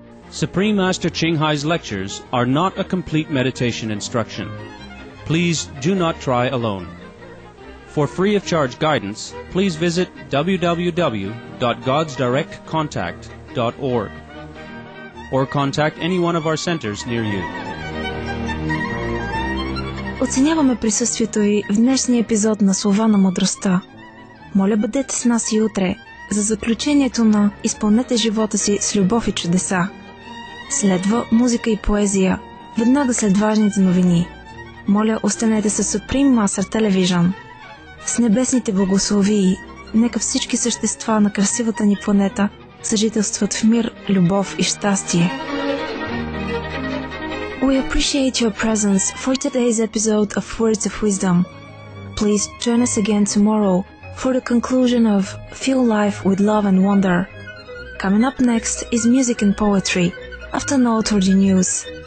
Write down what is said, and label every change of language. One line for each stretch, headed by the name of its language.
English: Supreme Master Qinghai's lectures are not a complete meditation instruction. Please do not try alone. For free of charge guidance, please visit www.godsdirectcontact.org or contact any one of our centers near you.
Bulgarian: Оценяваме присъствието ви в днешния епизод на Слова на мъдростта. Моля, бъдете с нас и утре за заключението на Изпълнете живота си с любов и чудеса. Следва музика и поезия, веднага след важните новини. Моля, останете с Supreme Master Television. С небесните благословии, нека всички същества на красивата ни планета съжителстват в мир, любов и щастие.
English: We appreciate your presence for today's episode of Words of Wisdom. Please join us again tomorrow for the conclusion of Fill Life with Love and Wonder. Coming up next is music and poetry, after noteworthy news.